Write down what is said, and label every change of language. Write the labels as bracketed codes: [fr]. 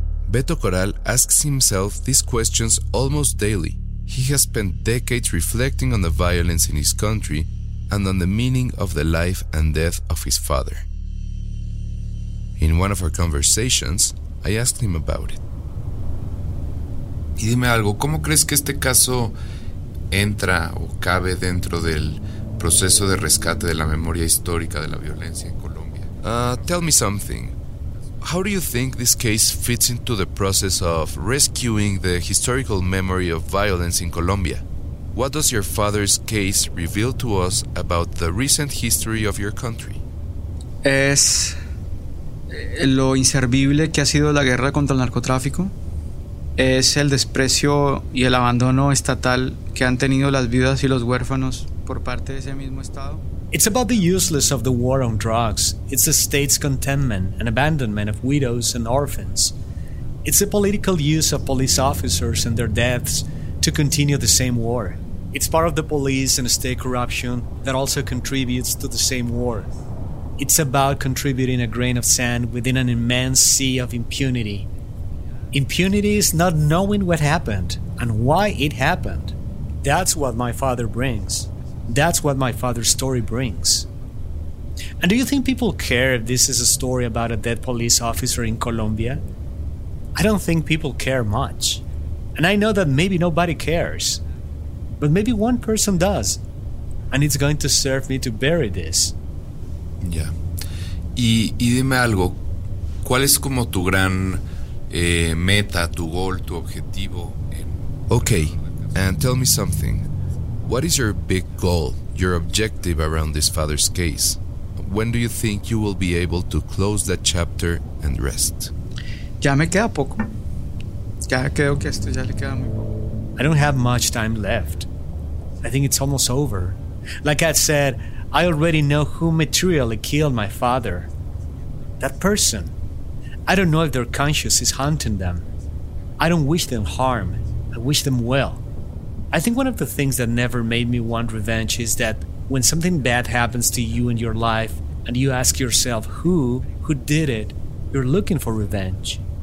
[en] Beto Coral asks himself these questions almost daily. He has spent decades reflecting on the violence in his country and on the meaning of the life and death of his father. In one of our conversations, I asked him about it. [es] Y dime algo, ¿cómo crees que este caso entra o cabe dentro del proceso de rescate de la memoria histórica de la violencia en Colombia? [en] Tell me something. How do you think this case fits into the process of rescuing the historical memory of violence in Colombia? What does your father's case reveal to us about the recent history of your country? [es] Es lo inservible que ha sido la guerra contra el narcotráfico. Es el desprecio y el abandono estatal que han tenido las viudas y los huérfanos por parte de ese mismo estado. [en] It's about the uselessness of the war on drugs. It's the state's contentment and abandonment of widows and orphans. It's the political use of police officers and their deaths to continue the same war. It's part of the police and state corruption that also contributes to the same war. It's about contributing a grain of sand within an immense sea of impunity. Impunity is not knowing what happened and why it happened. That's what my father brings. That's what my father's story brings. And do you think people care if this is a story about a dead police officer in Colombia? I don't think people care much. And I know that maybe nobody cares. But maybe one person does. And it's going to serve me to bury this. Yeah. [es] Y dime algo. ¿Cuál es como tu gran meta, tu goal, tu objetivo? [en] Okay, and tell me something. What is your big goal, your objective around this father's case? When do you think you will be able to close that chapter and rest? [es] Ya me queda poco. Ya creo que esto ya le queda muy poco. [en] I don't have much time left. I think it's almost over. Like I said, I already know who materially killed my father. That person. I don't know if their conscience is haunting them. I don't wish them harm. I wish them well. I think one of the things that never made me want revenge is that when something bad happens to you in your life and you ask yourself who did it, you're looking for revenge.